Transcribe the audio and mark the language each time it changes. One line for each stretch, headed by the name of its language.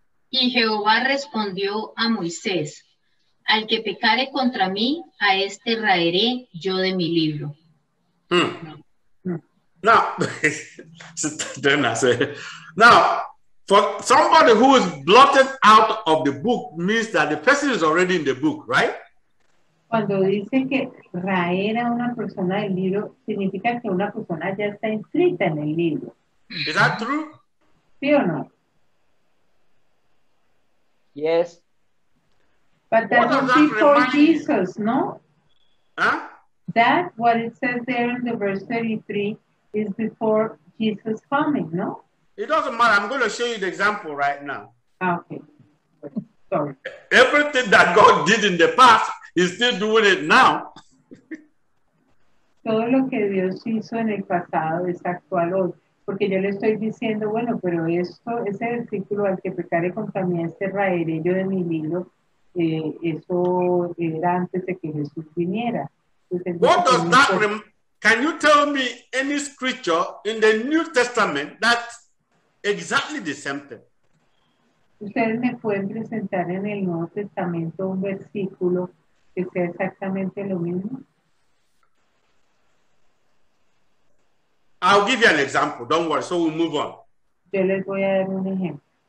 Spanish: Y Jehová respondió a Moisés, al que pecare contra mí, a este raeré yo de mi libro. Hmm.
English: Now, for somebody who is blotted out of the book means that the person is already in the book, right?
Spanish: Cuando dice que raer a una persona del libro, significa que una persona ya está inscrita en el libro.
English: Is that true?
Spanish: ¿Sí o no?
English: Yes. But that would be for Jesus, no? Huh? That, what it says there in the verse 33, is before Jesus coming, no? It doesn't matter. I'm going to show you the example right now. Okay. Sorry. Everything that God did in the past, he's still doing it now.
Spanish: Todo lo que Dios hizo en el pasado es actual hoy. Porque yo le estoy diciendo, bueno, pero esto, ese versículo al que pecare contra mí, este raeré yo de mi libro, eso era antes de que Jesús viniera. Entonces,
English: what does that remind? Can you tell me any scripture in the New Testament that exactly the same thing.
Spanish: Ustedes me pueden presentar en el Nuevo Testamento un versículo que sea exactamente lo mismo.
English: I'll give you an example. Don't worry. So we'll move on.
Spanish: Yo les voy a dar un ejemplo.